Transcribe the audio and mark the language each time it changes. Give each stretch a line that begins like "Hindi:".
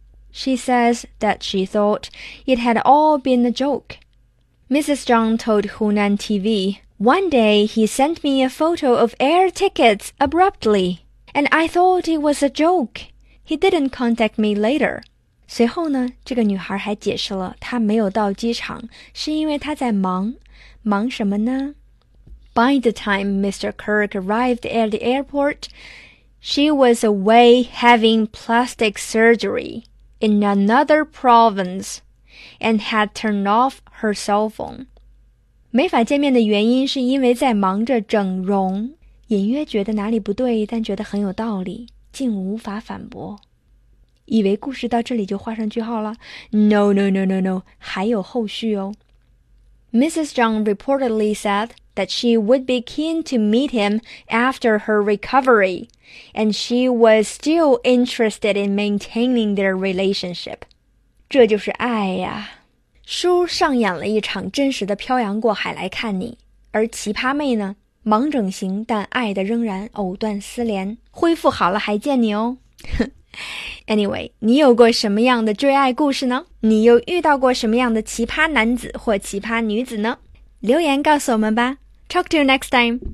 English: She says that she thought it had all been a joke. Mrs. John told Hunan TV, One day he sent me a photo of air tickets abruptly, and I thought it was a joke. He didn't contact me later.
Chinese: 随后呢,这个女孩还解释了她没有到机场是因为她在忙。忙什么呢?
English: By the time Mr. Kirk arrived at the airport, she was away having plastic surgery. In another province, and had turned off her cell phone.
Chinese: 没法见面的原因是因为在忙着整容。隐约觉得哪里不对，但觉得很有道理，竟无法反驳。以为故事到这里就画上句号了。
English: No,
Chinese: 还有后续哦。Mrs.
English: John reportedly said that she would be keen to meet him after her recovery. And she was still interested in maintaining their relationship.
Chinese: 这就是爱呀。叔上演了一场真实的漂洋过海来看你。而奇葩妹呢忙整形但爱的仍然藕断丝连。恢复好了还见你哦。
English: Anyway,
Chinese: 你有过什么样的追爱故事呢你又遇到过什么样的奇葩男子或奇葩女子呢留言告诉我们吧。
English: Talk to you next time.